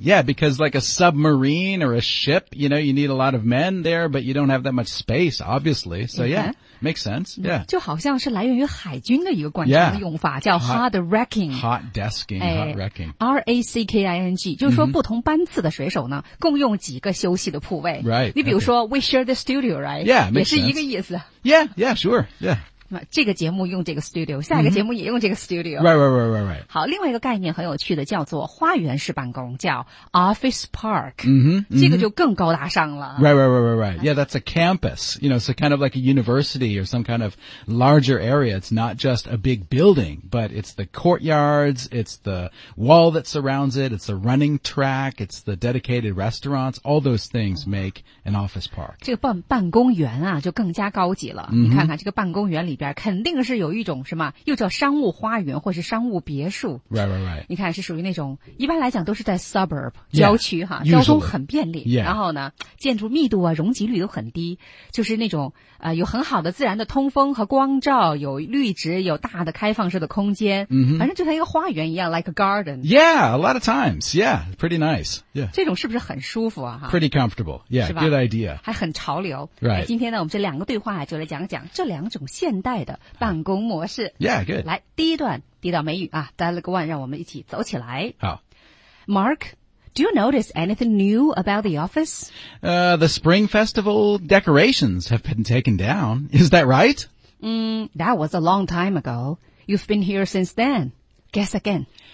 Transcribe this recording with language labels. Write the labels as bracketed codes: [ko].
[en] Yeah, because like a submarine or a ship, you know, you need a lot of men there, but you don't have that much space, obviously. So yeah. Makes sense, yeah. [zh] 就好像是来源于海军的一个惯常的用法、 [en] yeah. [zh] 叫 hot wrecking. [en] Hot desking, hot wrecking. [zh] R-A-C-K-I-N-G, 就是说不同班次的水手呢、mm-hmm. 共用几个休息的铺位。 [en] Right. [zh] 你比如说、 [en] okay. we share the studio, right? Yeah, makes sense. [zh] 也是一个意思。 [en] Yeah, sure, yeah. [zh] 这个节目用这个 studio, 下一个节目也用这个 studio.、 [en] Mm-hmm. Right. [zh] 好，另外一个概念很有趣的叫做花园式办公叫 office park. Mm-hmm. 这个就更高大上了。 [en] Right. Yeah, that's a campus. You know, it's a kind of like a university or some kind of larger area. It's not just a big building, but it's the courtyards, it's the wall that surrounds it, it's the running track, it's the dedicated restaurants. All those things make an office park. [zh] 这个办公园啊就更加高级了。 Mm-hmm. 你看看这个办公园里边肯定是有一种什么又叫商务花园或是商务别墅。 [en] Right. [zh] 你看是属于那种一般来讲都是在 suburb, 郊区哈、啊、交通很便利。 [en] Yeah. [zh] 然后呢建筑密度啊容积率都很低，就是那种有很好的自然的通风和光照，有绿植，有大的开放式的空间。 Mm-hmm. 反正就像一个花园一样 , [en] like a garden. Yeah, a lot of times. Yeah, pretty nice. Yeah. [zh] 这种是不是很舒服啊 [en] ?Pretty comfortable. Yeah, good idea. [zh] 还很潮流。 [en] Right. [zh] 今天呢我们这两个对话就来讲这两种现代的办公模式。 [en] Yeah, good. [zh] 来第一段地道美语啊 ,Dialogue One, 让我们一起走起来。好。 [en] Mark,Do you notice anything new about the office? The spring festival decorations have been taken down. Is that right? That was a long time ago. You've been here since then. Guess again.